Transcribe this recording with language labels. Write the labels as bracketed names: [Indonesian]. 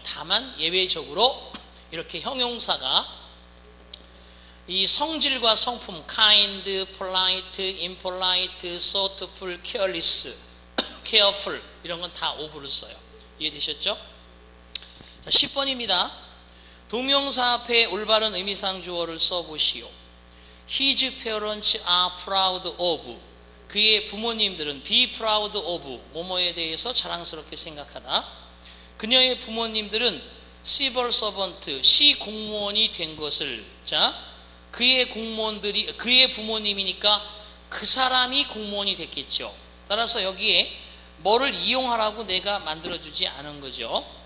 [Korean] 다만 예외적으로 이렇게 형용사가 이 성질과 성품 kind, polite, impolite, thoughtful, careless, careful 이런 건 다 of를 써요. 이해되셨죠? 자, 10번입니다. 동명사 앞에 올바른 의미상 주어를 써보시오. [English] His parents are proud of. 그의 부모님들은 be proud of. [Korean] 뭐뭐에 대해서 자랑스럽게 생각하다. 그녀의 부모님들은 civil servant, 시 공무원이 된 것을. 자, 그의 공무원들이, 그의 부모님이니까 그 사람이 공무원이 됐겠죠. 따라서 여기에 뭐를 이용하라고 내가 만들어주지 않은 거죠.